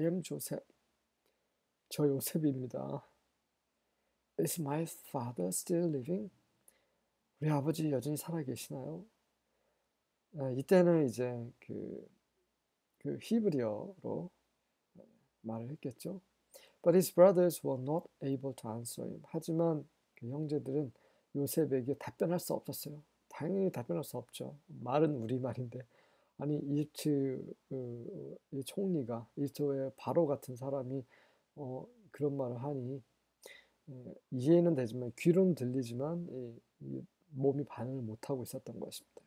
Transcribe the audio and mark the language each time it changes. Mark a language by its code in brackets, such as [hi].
[en] I am Joseph. [ko] 저 요셉입니다. [en] Is my father still living? [ko] 우리 아버지 여전히 살아계시나요? 이때는 이제 그 히브리어로 말을 했겠죠. [en] But his brothers were not able to answer him. [ko] 하지만 그 형제들은 요셉에게 답변할 수 없었어요. 당연히 답변할 수 없죠. 말은 우리말인데. 아니 이집트의 총리가 이집트의 바로 같은 사람이 그런 말을 하니 이해는 되지만 귀로는 들리지만 몸이 반응을 못하고 있었던 것입니다.